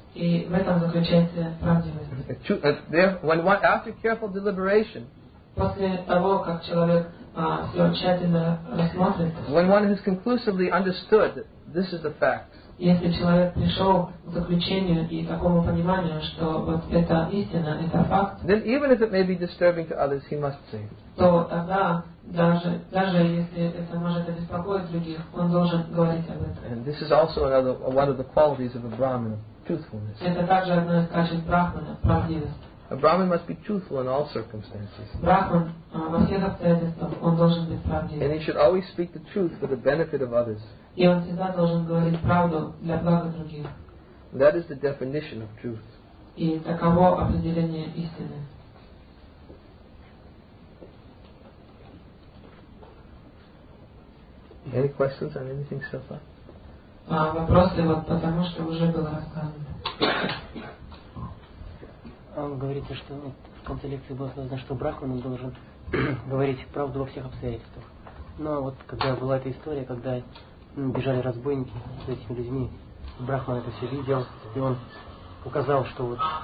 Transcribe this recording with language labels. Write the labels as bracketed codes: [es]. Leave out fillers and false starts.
[en] After careful deliberation, when one has conclusively understood that this is the fact, then even if it may be disturbing to others, he must say. [ru] Даже если это может обеспокоить других, он должен говорить об этом. [en] And this is also one of the qualities of a Brahmin, truthfulness. [ru] Это также одно из качеств Брахмана, правдивость. [en] A Brahmin must be truthful in all circumstances. [ru] Брахман во всех обстоятельствах он должен быть правдивым. [en] And he should always speak the truth for the benefit of others. [ru] И он всегда должен говорить правду для блага других. [en] That is the definition of truth. [ru] И таково определение истины. [en] Any questions on anything so far? [ru] Вопросы вот потому что уже было рассказано. Он говорит, что в конце лекции было сказано, что Брахман должен говорить правду во всех обстоятельствах. Но вот когда была эта история, когда бежали разбойники с этими людьми, Брахман это все видел, и он указал, что вот.